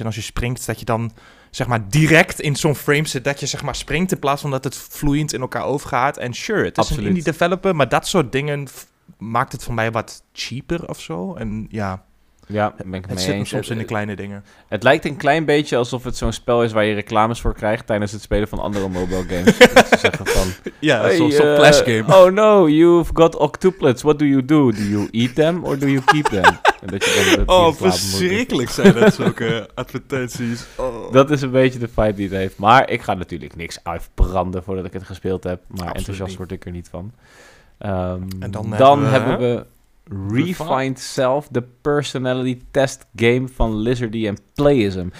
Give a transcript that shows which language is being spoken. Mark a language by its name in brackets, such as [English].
[Dutch] En als je springt, dat je dan zeg maar direct in zo'n frame zit, dat je zeg maar springt in plaats van dat het vloeiend in elkaar overgaat. En sure, het is absoluut een indie developer, maar dat soort dingen maakt het voor mij wat cheaper of zo. En ja. Ja, ben ik het mee eens. Het zit soms in de kleine dingen. Het lijkt een klein beetje alsof het zo'n spel is waar je reclames voor krijgt tijdens het spelen van andere mobile games. Ja, zo'n flash game. [English] Oh no, you've got octuplets. What do you do? Do you eat them or do you keep them? [Dutch] En dat je dan verschrikkelijk zijn dat zulke advertenties. Oh. Dat is een beetje de vibe die het heeft. Maar ik ga natuurlijk niks uitbranden voordat ik het gespeeld heb. Maar absoluut enthousiast niet. Word ik er niet van. En dan hebben we Refined Self, de personality test game van Lizardy en Playism.